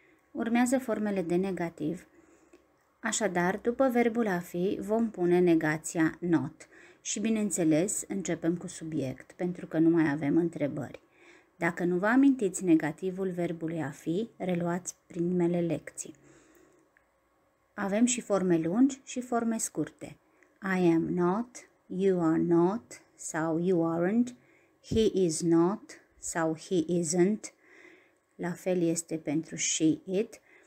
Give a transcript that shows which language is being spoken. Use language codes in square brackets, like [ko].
[ro] Urmează formele de negativ. Așadar, după verbul a fi, vom pune negația not. Și bineînțeles, începem cu subiect, pentru că nu mai avem întrebări. Dacă nu vă amintiți negativul verbului a fi, reluați primele lecții. Avem și forme lungi și forme scurte. [en] I am not, you are not, sau you aren't. He is not sau he isn't. [ro] La fel este pentru she, it.